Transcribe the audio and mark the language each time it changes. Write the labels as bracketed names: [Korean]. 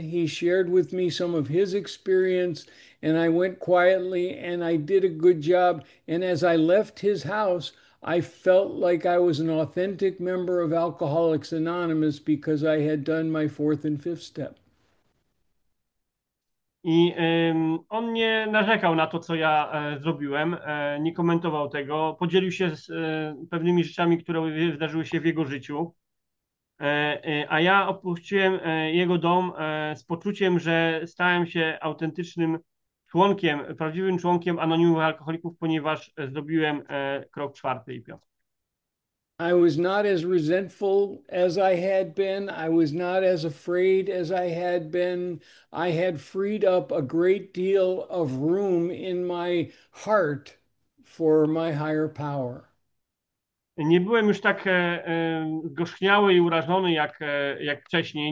[English] He shared with me some of his experience, and I went quietly and I did a good job. And as I left his house, I felt like I was an authentic member of Alcoholics Anonymous because I had done my fourth and fifth step. [Polish] I on nie narzekał na to, co ja zrobiłem, nie komentował tego, podzielił się z pewnymi rzeczami, które zdarzyły się w jego życiu. A ja opuściłem jego dom z poczuciem, że stałem się autentycznym członkiem, prawdziwym członkiem Anonimowych Alkoholików, ponieważ zrobiłem krok czwarty i piąty. [English] I was not as resentful as I had been. I was not as afraid as I had been. I had freed up a great deal of room in my heart for my higher power. [Polish] Nie byłem już tak zgorzchniały i urażony jak wcześniej.